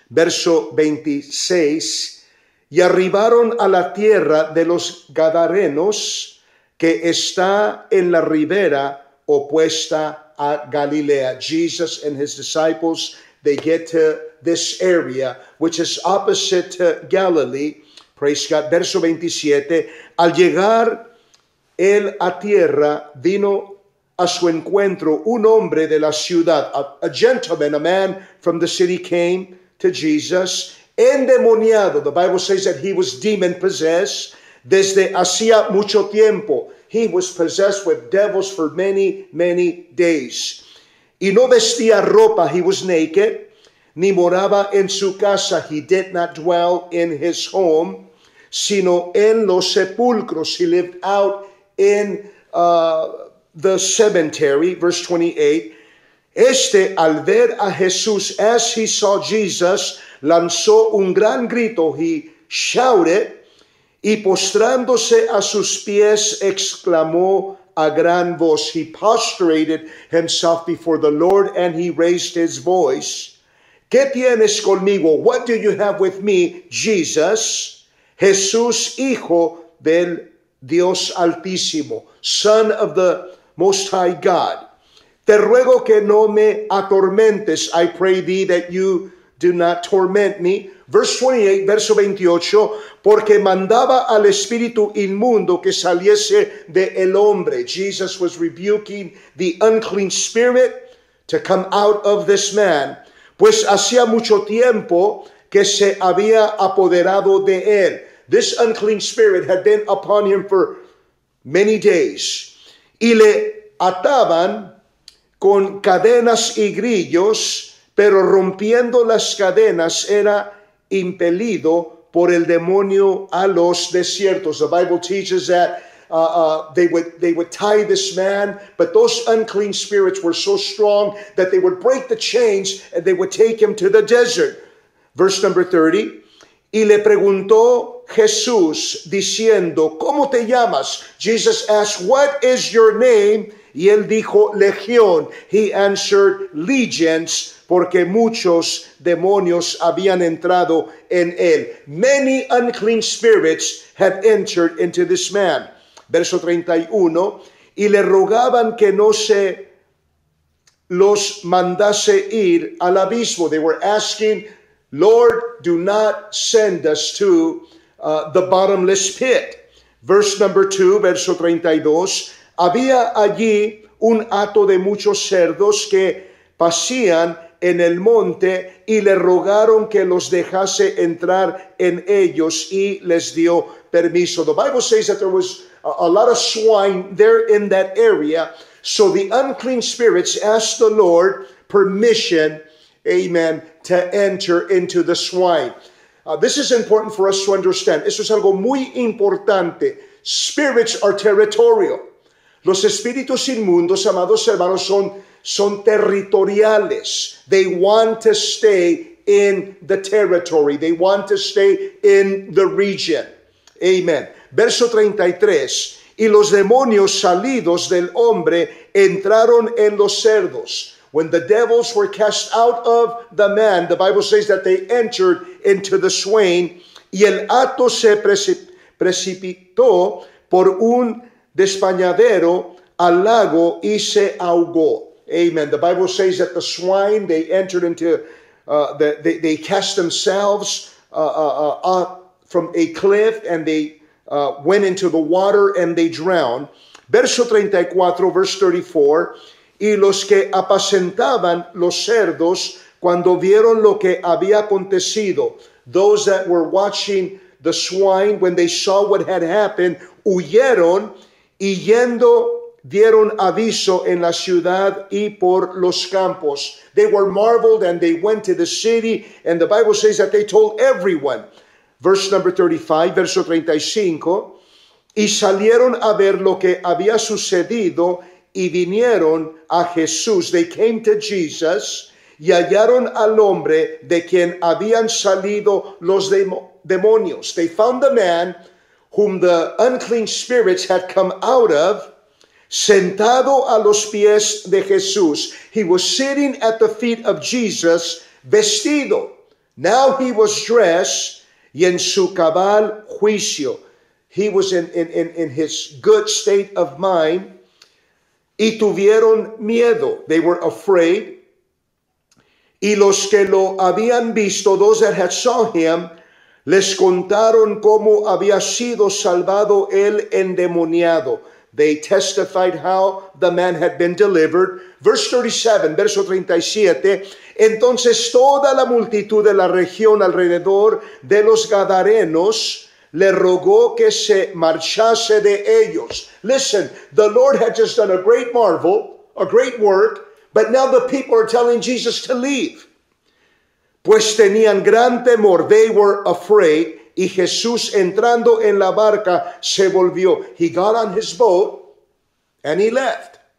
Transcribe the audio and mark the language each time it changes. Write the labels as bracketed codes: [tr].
[es] verso 26, y arribaron a la tierra de los gadarenos, que está en la ribera opuesta a Galilea. [en] Jesus and his disciples, they get to this area, which is opposite to Galilee. Praise God. [es] Verso 27, al llegar él a tierra, vino a su encuentro un hombre de la ciudad, [en] a gentleman, a man from the city came to Jesus, [es] endemoniado. [en] The Bible says that he was demon possessed [es] desde hacía mucho tiempo. [en] He was possessed with devils for many, many days. [es] Y no vestía ropa, [en] he was naked, [es] ni moraba en su casa. [en] He did not dwell in his home, [es] sino en los sepulcros. [en] He lived out in the cemetery. [es] Verse 28, este al ver a Jesús, [en] as he saw Jesus, [es] lanzó un gran grito. [en] He shouted, [es] y postrándose a sus pies, exclamó a gran voz. [en] He prostrated himself before the Lord, and he raised his voice. [es] ¿Qué tienes conmigo? [en] What do you have with me, Jesus? [es] Jesús, Hijo del Dios Altísimo, [en] Son of the Most High God. [es] Te ruego que no me atormentes. [en] I pray thee that you do not torment me. [es] Verse 28, verso 28, porque mandaba al espíritu inmundo que saliese de el hombre. [en] Jesus was rebuking the unclean spirit to come out of this man, [es] pues hacía mucho tiempo que se había apoderado de él. [en] This unclean spirit had been upon him for many days. [es] Y le ataban con cadenas y grillos, pero rompiendo las cadenas era impelido por el demonio a los desiertos. [en] The Bible teaches that they would tie this man, but those unclean spirits were so strong that they would break the chains and they would take him to the desert. [es] Verse number 30. Y le preguntó Jesús diciendo, ¿cómo te llamas? [en] Jesus asked, what is your name? [es] Y él dijo, legión. [en] He answered, legions, [es] porque muchos demonios habían entrado en él. [en] Many unclean spirits had entered into this man. [es] Verso 31, y le rogaban que no se los mandase ir al abismo. [en] They were asking, Lord, do not send us to the bottomless pit. [es] Verse number 2, verso 32, había allí un hato de muchos cerdos que pacían en el monte, y le rogaron que los dejase entrar en ellos, y les dio permiso. [en] The Bible says that there was a lot of swine there in that area. So the unclean spirits asked the Lord permission, amen, to enter into the swine. This is important for us to understand. [es] Esto es algo muy importante. [en] Spirits are territorial. [es] Los espíritus inmundos, amados hermanos, son territoriales. [en] They want to stay in the territory. They want to stay in the region. Amen. [es] Verso 33. Y los demonios salidos del hombre entraron en los cerdos. [en] When the devils were cast out of the man, the Bible says that they entered into the swine. [es] Y el hato se precipitó por un despañadero al lago y se ahogó. Amen. [en] The Bible says that the swine, they entered into, they cast themselves up from a cliff, and they went into the water and they drowned. [es] Verso 34, verse 34, y los que apacentaban los cerdos, cuando vieron lo que había acontecido, [en] those that were watching the swine, when they saw what had happened, [es] huyeron, y yendo dieron aviso en la ciudad y por los campos. [en] They were marveled and they went to the city, and the Bible says that they told everyone. [es] Verse number 35, verso 35, y salieron a ver lo que había sucedido, y vinieron a Jesús. [en] They came to Jesus [es] y hallaron al hombre de quien habían salido los demonios. [en] They found the man whom the unclean spirits had come out of, [es] sentado a los pies de Jesús. [en] He was sitting at the feet of Jesus, [es] vestido. [en] Now he was dressed [es] y en su cabal juicio. [en] He was in his good state of mind. [es] Y tuvieron miedo. [en] They were afraid. [es] Y los que lo habían visto, [en] those that had saw him, [es] les contaron cómo había sido salvado el endemoniado. [en] They testified how the man had been delivered. Verse 37, [es] verso 37. Entonces toda la multitud de la región alrededor de los gadarenos le rogó que se marchase de ellos. [en] Listen, the Lord had just done a great marvel, a great work, but now the people are telling Jesus to leave. [es] Pues tenían gran temor, [en] they were afraid, [es] y Jesús entrando en la barca se volvió. [en] He got on his boat and he left.